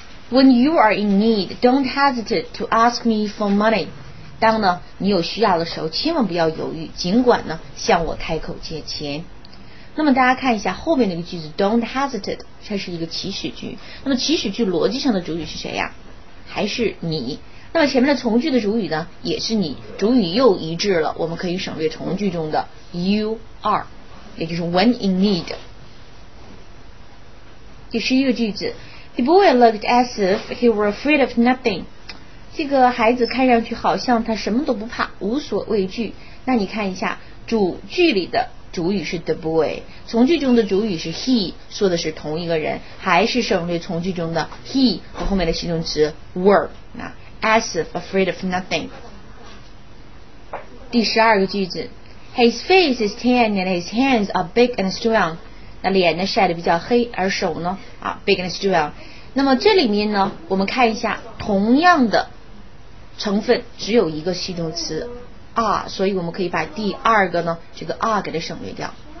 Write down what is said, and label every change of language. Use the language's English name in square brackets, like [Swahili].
[English] When you are in need, don't hesitate to ask me for money. [Chinese] 当呢你有需要的时候千万不要犹豫，尽管呢向我开口借钱。那么大家看一下后面那个句子 [English] don't hesitate, [Chinese] 它是一个祈使句。那么祈使句逻辑上的主语是谁呀？还是你。那么前面的从句的主语呢也是你，主语又一致了，我们可以省略从句中的 you are, 也就是 [English] when in need。 [Chinese] 第十一个句子， [English] the boy looked as if he were afraid of nothing, [Chinese] 这个孩子看上去好像他什么都不怕，无所畏惧。那你看一下主句里的主语是 the boy, 从句中的主语是 he, 说的是同一个人，还是省略从句中的 he 和后面的形容词 were, 那 [English] As if afraid of nothing. [Chinese] 第十二个句子， [English] His face is tan and his hands are big and strong. [Chinese] 那脸呢晒得比较黑，而手呢啊 [English] big and strong. [Chinese] 那么这里面呢，我们看一下同样的成分只有一个系动词 are, 所以我们可以把第二个呢这个 are 给它省略掉。